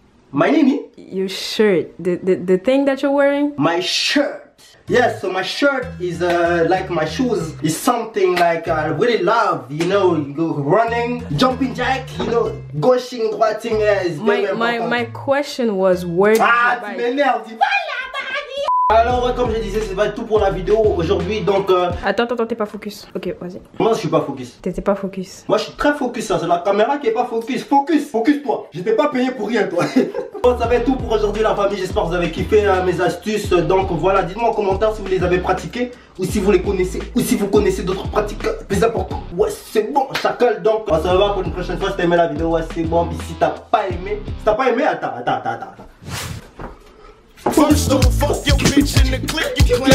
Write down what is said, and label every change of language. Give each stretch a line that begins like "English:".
English: My name? Your shirt. The thing that you're wearing? My shirt. Yes, so my shirt is like my shoes is something like I really love, you know, running, jumping jack, you know, gauching, droiting. My question was where
French: ah, tu m'énerves. Voilà, alors, comme je disais, ça va être tout pour la vidéo aujourd'hui, donc... Attends, t'es pas focus. Ok, vas-y. Moi, je suis pas focus. T'étais pas focus. Moi, je suis très focus, hein. C'est la caméra qui est pas focus. Focus-toi. J'étais pas payé pour rien, toi. Bon, ça va être tout pour aujourd'hui, la famille. J'espère que vous avez kiffé mes astuces. Donc, voilà, dites-moi en commentaire si vous les avez pratiquées ou si vous les connaissez ou si vous connaissez d'autres pratiques plus importantes. Ouais, c'est bon, ça colle, donc. On se revoit pour une prochaine fois si t'as aimé la vidéo. Ouais, c'est bon. Puis si t'as pas aimé, attends.
English: First don't fuck your bitch in the click you clip.